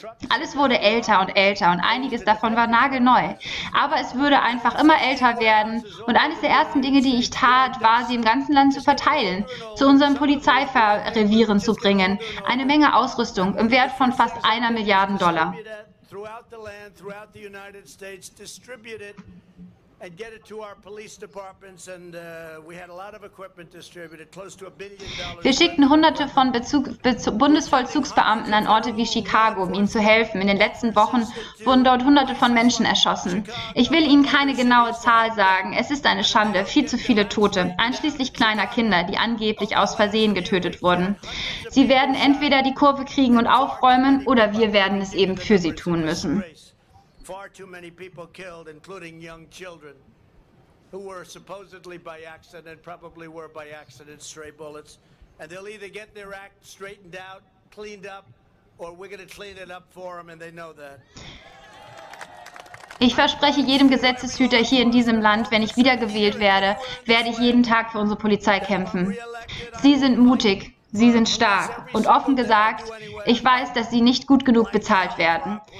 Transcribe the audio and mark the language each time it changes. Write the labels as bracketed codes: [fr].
[de] Alles wurde älter und älter und einiges davon war nagelneu. Aber es würde einfach immer älter werden und eines der ersten Dinge, die ich tat, war, sie im ganzen Land zu verteilen, zu unseren Polizeirevieren zu bringen. Eine Menge Ausrüstung im Wert von fast 1 Milliarde Dollar. [en] Throughout the land, throughout the United States, distribute it and get it to our police departments, and we had a lot of equipment distributed, close to $1 billion. [de] Wir schickten hunderte von Bundesvollzugsbeamten an Orte wie Chicago, um ihnen zu helfen. In den letzten Wochen wurden dort hunderte von Menschen erschossen. Ich will Ihnen keine genaue Zahl sagen. Es ist eine Schande, viel zu viele Tote, einschließlich kleiner Kinder, die angeblich aus Versehen getötet wurden. Sie werden entweder die Kurve kriegen und aufräumen, oder wir werden es eben für sie tun müssen. [en] Far too many people killed, including young children, who were supposedly by accident, probably were by accident, stray bullets. And they'll either get their act straightened out, cleaned up, or we're going to clean it up for them, and they know that. [de] Ich verspreche jedem Gesetzeshüter hier in diesem Land, wenn ich wiedergewählt werde, werde ich jeden Tag für unsere Polizei kämpfen. Sie sind mutig. Sie sind stark und offen gesagt, ich weiß, dass sie nicht gut genug bezahlt werden.